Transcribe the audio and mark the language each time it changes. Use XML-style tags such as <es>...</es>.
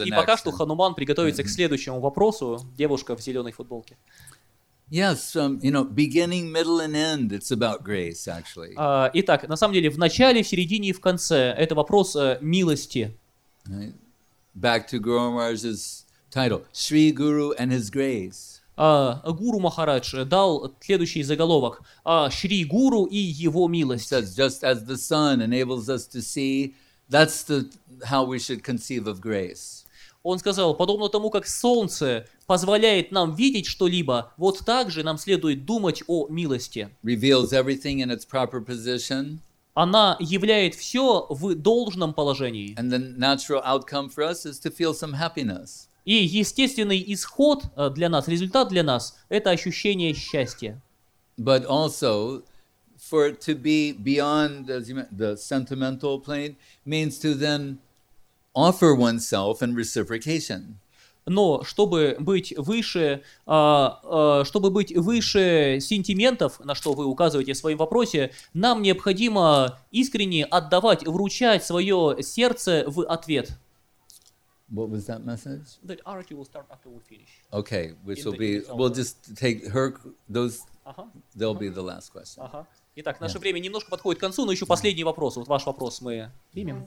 <ru>И пока что Хануман приготовится к следующему вопросу. Девушка в зеленой футболке.</ru> <en>Yes, you know, beginning, middle, and end. It's about grace, actually.</en> <ru>Итак, на самом деле, в начале, в середине и в конце – это вопрос милости.</ru> <en>Back to Guru Maharaj's title, Sri Guru and His Grace.</en> <ru>Гуру Махарадж дал следующий заголовок: Шри Гуру и Его милость.</ru> <en>Says, just as the sun enables us to see, that's the how we should conceive of grace.</en> <ru>Он сказал, подобно тому, как солнце позволяет нам видеть что-либо, вот так же нам следует думать о милости.</ru> <en>Reveals everything in its proper position.</en> <ru>Она являет все в должном положении.</ru> <en>And the natural outcome for us is to feel some happiness.</en> <ru>И естественный исход для нас, результат для нас – это ощущение счастья.</ru> <en>But also, for it to be beyond the sentimental plane means to then offer oneself in reciprocation.</en> <ru>Но чтобы быть выше сентиментов, на что вы указываете в своем вопросе, нам необходимо искренне отдавать, вручать свое сердце в ответ.</ru> <en>What was that message? That Arati will start after we finish. Okay, which will be, we'll just take her, those, they'll be the last question.</en> <ru>Итак, наше время немножко подходит к концу, но еще последний вопрос, вот ваш вопрос мы примем.</ru>